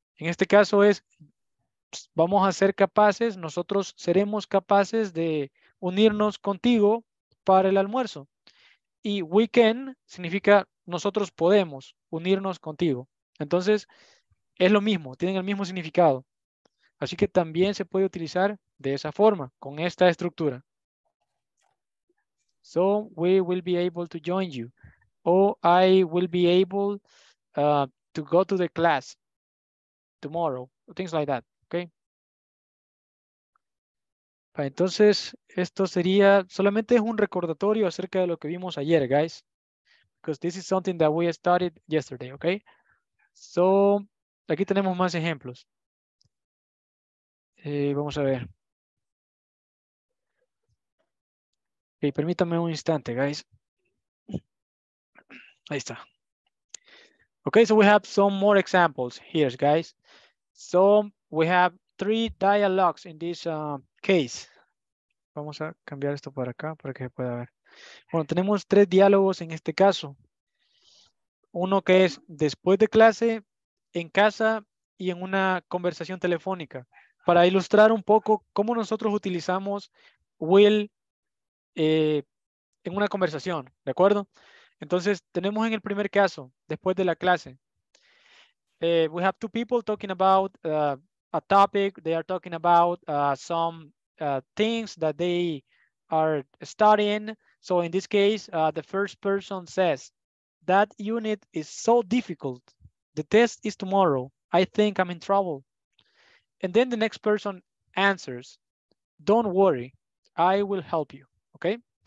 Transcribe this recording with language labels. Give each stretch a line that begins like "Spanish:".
Spanish: En este caso es, vamos a ser capaces, nosotros seremos capaces de unirnos contigo para el almuerzo. Y we can significa nosotros podemos unirnos contigo. Entonces, es lo mismo, tienen el mismo significado. Así que también se puede utilizar de esa forma, con esta estructura.
English: So, we will be able to join you. Or I will be able to go to the class tomorrow. Things like that, okay?
Spanish: Entonces, esto sería, solamente es un recordatorio acerca de lo que vimos ayer, guys.
English: Because this is something that we started yesterday, okay?
Spanish: So, aquí tenemos más ejemplos. Vamos a ver. Okay, permítanme un instante, guys. Ahí está.
English: Okay, so we have some more examples here, guys. So, we have three dialogues in this case.
Spanish: Vamos a cambiar esto para acá para que se pueda ver. Bueno, tenemos tres diálogos en este caso. uno que es después de clase, en casa y en una conversación telefónica. Para ilustrar un poco cómo nosotros utilizamos will en una conversación, ¿de acuerdo? Entonces, tenemos en el primer caso, después de la clase.
English: We have two people talking about a topic. They are talking about some things that they are studying. So in this case, the first person says, that unit is so difficult. The test is tomorrow. I think I'm in trouble. And then the next person answers, don't worry, I will help you, okay?